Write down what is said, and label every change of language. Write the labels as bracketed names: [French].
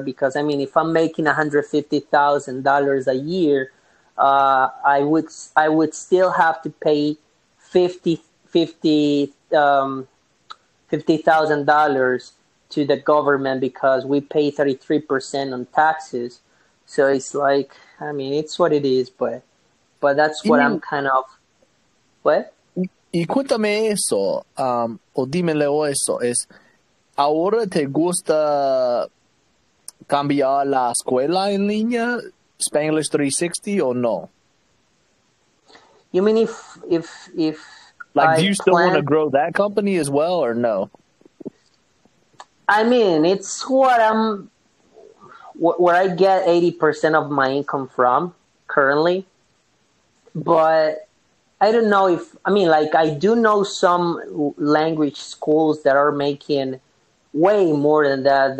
[English] Because I mean, if I'm making $150,000 a year, I would still have to pay $50,000 to the government, because we pay 33% on taxes. So it's like, I mean, it's what it is, but that's what I'm kind of, what? [Spanish] Y cuéntame eso, o dímelo eso, es, ¿ahora te gusta cambiar la escuela en línea, Spanglish 360, o no? [English] You mean if like, I do you still want to grow that company as well, or no? I mean, it's what I'm, where I get 80% of my income from currently. But I don't know if, I mean, like, I do know some language schools that are making way more than that.